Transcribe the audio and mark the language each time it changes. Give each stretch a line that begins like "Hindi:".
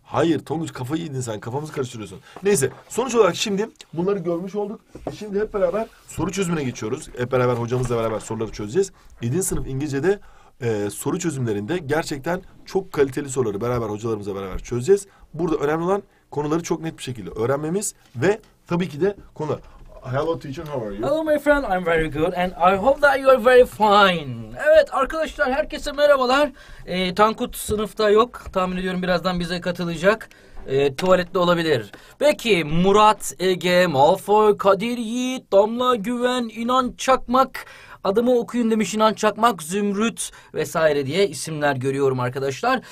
Turkish: Hayır Tonguç kafayı yedin sen kafamızı karıştırıyorsun. Neyse sonuç olarak şimdi bunları görmüş olduk. Şimdi hep beraber soru çözümüne geçiyoruz. Hep beraber hocamızla beraber soruları çözeceğiz. 7. sınıf İngilizce'de. Soru çözümlerinde gerçekten çok kaliteli soruları beraber hocalarımızla beraber çözeceğiz. Burada önemli olan konuları çok net bir şekilde öğrenmemiz ve tabii ki de konu.
English: Hello teacher, how are you? Hello my friend, I'm very good and I hope that you are very fine.
Turkish: Evet arkadaşlar, herkese merhabalar. Tankut sınıfta yok. Tahmin ediyorum birazdan bize katılacak. Tuvalette olabilir. Peki, Murat, Ege, Malfoy, Kadir Yiğit, Damla, Güven, İnan Çakmak... Adımı okuyun demiş İnan Çakmak, Zümrüt vesaire diye isimler görüyorum arkadaşlar.